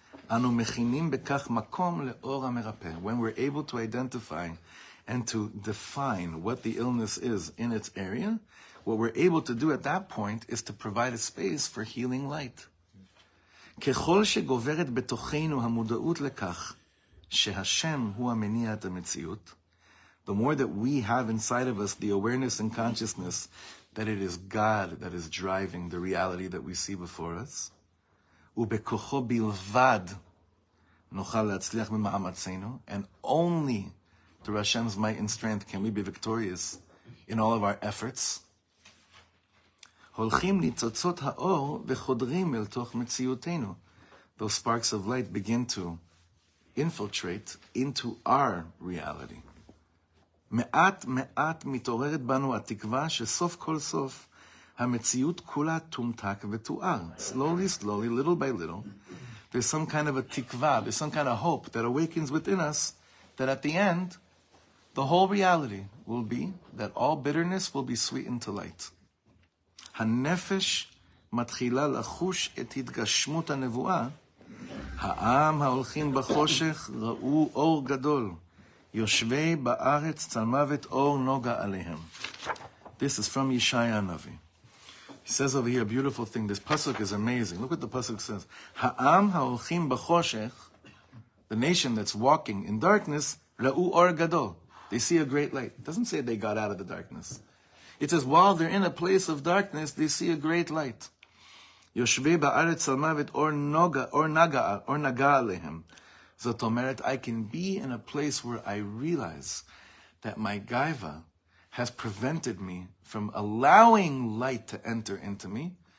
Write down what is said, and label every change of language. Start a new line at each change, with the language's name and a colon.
Hebrew: אנו מכינים בכך מקום לאור המרפא.
English: When we're able to identify and to define what the illness is in its area, what we're able to do at that point is to provide a space for healing light.
Hebrew: ככל שגוברת בתוכנו המודעות לכך שהשם הוא המניע את המציאות,
English: the more that we have inside of us the awareness and consciousness that it is God that is driving the reality that we see before us,
Hebrew: ובכוחו בלבד נוכל להצליח במאמצנו,
English: and only through Hashem's might and strength can we be victorious in all of our efforts,
Hebrew: הולכים ניצוצות האור וחודרים אל תוך מציאותנו.
English: Those sparks of light begin to infiltrate into our reality.
Hebrew: מעט מעט מתעוררת בנו התקווה שסוף כל סוף המציאות כולה תומתק ותואר.
English: Slowly, slowly, little by little, there's some kind of a תקווה, there's some kind of hope that awakens within us that at the end, the whole reality will be that all bitterness will be sweetened to light.
Hebrew: הנפש מתחילה לחוש את התגשמות הנבואה. העם ההולכים בחושך ראו אור גדול. יושבי בארץ צלמוות אור נוגע עליהם.
English: This is from Yeshaya Navi. He says over here a beautiful thing. This pasuk is amazing. Look what the pasuk says.
Hebrew: העם ההולכים בחושך,
English: the nation that's walking in darkness,
Hebrew: ראו אור גדול.
English: They see a great light. It doesn't say they got out of the darkness. It says, while they're in a place of darkness, they see a great light.
Hebrew: Yoshvei ba'aretz salmavet or naga alehem. Zot omeret,
English: I can be in a place where I realize that my gaiva has prevented me from allowing light to enter into me.